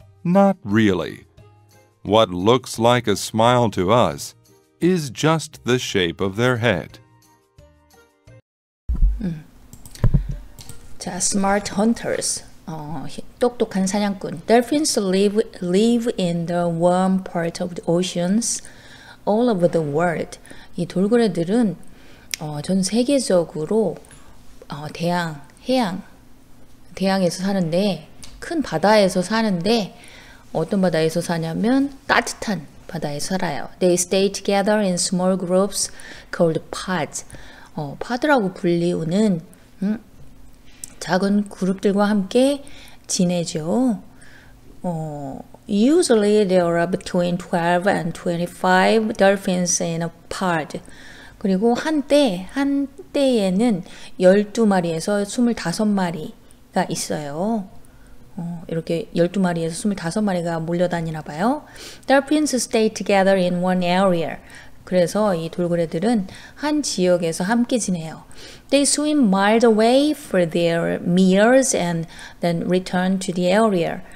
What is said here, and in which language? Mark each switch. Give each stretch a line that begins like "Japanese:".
English: Not really. What looks like a smile to us is just the shape of their head.
Korean: 자,
English: smart hunters,
Korean: 똑똑한 사냥꾼.
English: Dolphins live in the warm part of the oceans all over the world.
Korean: 이 돌고래들은 전 세계적으로 대양에서 사는데, 큰 바다에서 사는데, 어떤 바다에서 사냐면 따뜻한 바다에 살아요.
English: They stay together in small groups called pods.
Korean: 파드라고 불리우는 작은 그룹들과 함께 지내죠.
English: Usually there are between 12 and 25 dolphins in a pod.
Korean: 그리고 한때에는 12마리에서 25마리가 있어요. 이렇게 12마리에서 25마리가 몰려다니나 봐요.
English: Dolphins stay together in one area.
Korean: 그래서 이 돌고래들은 한 지역에서 함께 지내요.
English: They swim miles away for their meals and then return to the area.